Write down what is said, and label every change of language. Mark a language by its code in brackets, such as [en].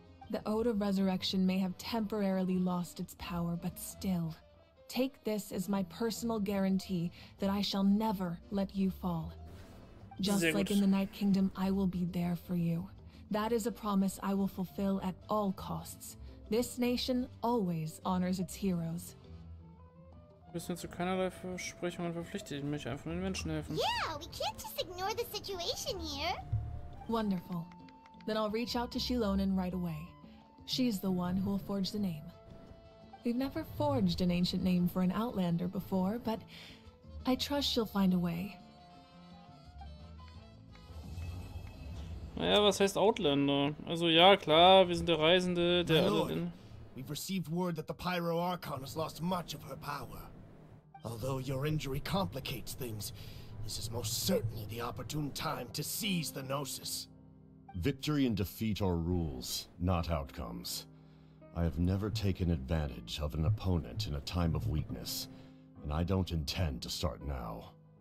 [en] The Ode of Resurrection may have temporarily lost its power, but still. Take this as my personal guarantee that I shall never let you fall. Just like in the Night Kingdom, I will be there for you. That is a promise I will fulfill at all costs. This nation always honors its heroes. [de] Wir müssen zu keinerlei Versprechungen verpflichtet, mich einfach den Menschen helfen. [en] Yeah, we can't just ignore the situation here. Wonderful. Then I'll reach out to Shilonen right away. She's the one who'll forge the name. We've never forged an ancient name for an Outlander before, but I trust she'll find a way. [de] Naja, was heißt Outlander? Also ja, klar, wir sind der Reisende, der Outlander. [en] We've received word that the Pyro Archon has lost much of her power. Although your injury complicates things, this is most certainly the opportune time to seize the Gnosis. Victory and defeat are rules, not outcomes. I have never taken advantage of an opponent in a time of weakness, and I don't intend to start now.